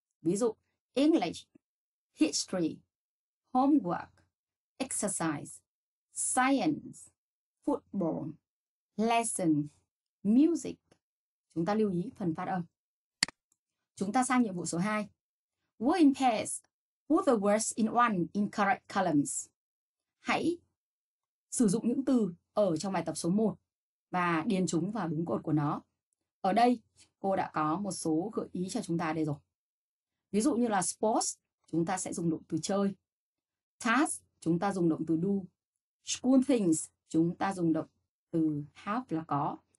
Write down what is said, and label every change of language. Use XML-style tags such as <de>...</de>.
<vi>Ví dụ English, History, Homework, Exercise, Science, Football, Lesson, Music. Chúng ta lưu ý phần phát âm. Chúng ta sang nhiệm vụ số 2.</vi> <en>Word in pairs. Put the words in one in correct columns.</en> <vi>Hãy sử dụng những từ ở trong bài tập số 1 và điền chúng vào đúng cột của nó. Ở đây, cô đã có một số gợi ý cho chúng ta đây rồi. Ví dụ như là sports, chúng ta sẽ dùng động từ chơi. Task, chúng ta dùng động từ do. School things, chúng ta dùng động từ have là có.</vi>